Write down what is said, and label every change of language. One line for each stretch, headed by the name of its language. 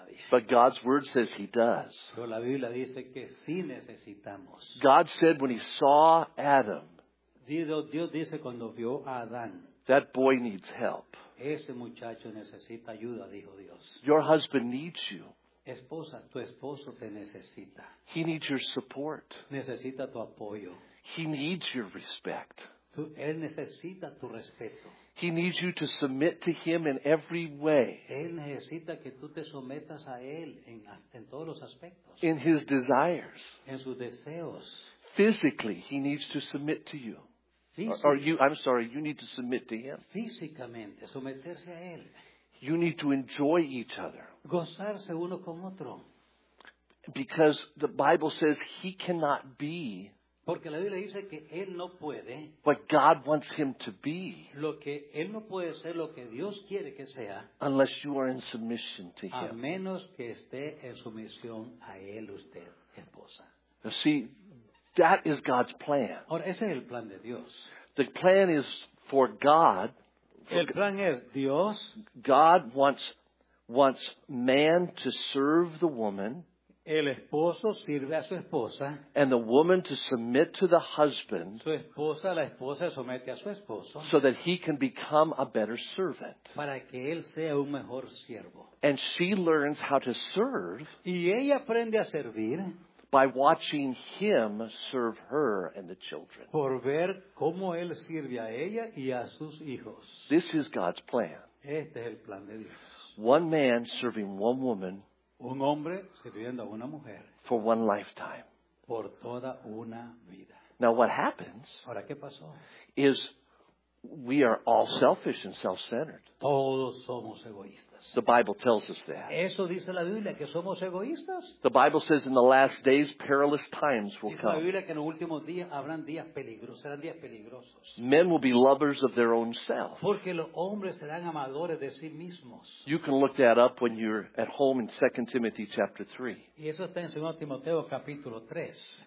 English: But God's word says he does.
Spanish: Pero la Biblia dice que sí necesitamos.
English: God said when he saw Adam,
Spanish: Dios dice cuando vio a Adán,
English: that boy needs help.
Spanish: Ese muchacho necesita ayuda, dijo Dios.
English: Your husband needs you.
Spanish: Esposa, tu esposo te necesita.
English: He needs your support.
Spanish: Necesita tu apoyo.
English: He needs your respect.
Spanish: Él necesita tu respeto.
English: He needs you to submit to him in every way.
Spanish: Él necesita que tú te sometas a él en todos los aspectos.
English: In his desires.
Spanish: En sus deseos.
English: Physically, he needs to submit to you. You need to submit to him.
Spanish: Físicamente, someterse a él.
English: You need to enjoy each other.
Spanish: Gozarse uno con otro.
English: Because the Bible says he cannot be.
Spanish: Porque la Biblia dice que él no puede.
English: What God wants him to be.
Spanish: Lo que él no puede ser, lo que Dios quiere que sea.
English: Unless you are in submission to him.
Spanish: A menos que esté en sumisión a él usted, esposa.
English: Now see, that is God's plan.
Spanish: Ahora, ese es el plan de Dios.
English: The plan is for God.
Spanish: El plan es Dios.
English: God wants man to serve the woman.
Spanish: El esposo sirve a su esposa.
English: And the woman to submit to the husband.
Spanish: Su esposa, la esposa somete a su esposo.
English: So that he can become a better servant.
Spanish: Para que él sea un mejor siervo.
English: And she learns how to serve.
Spanish: Y ella aprende a servir.
English: By watching him serve her and the children.
Spanish: Por ver cómo él sirve a ella y a sus hijos.
English: This is God's plan.
Spanish: Este es el plan de Dios.
English: One man serving one woman.
Spanish: Un hombre sirviendo a una mujer.
English: For one lifetime.
Spanish: Por toda una vida.
English: Now what happens.
Spanish: Ahora, ¿qué pasó?
English: Is we are all selfish and self-centered.
Spanish: Todos somos egoístas.
English: The Bible tells us that.
Spanish: Eso dice la Biblia, que somos egoístas.
English: The Bible says in the last days perilous times will come.
Spanish: Dice la Biblia que en los últimos días habrán días peligrosos, serán días peligrosos.
English: Men will be lovers of their own self.
Spanish: Porque los hombres serán amadores de sí mismos.
English: You can look that up when you're at home in 2 Timothy chapter 3.
Spanish: Y eso está en 2 Timoteo capítulo 3.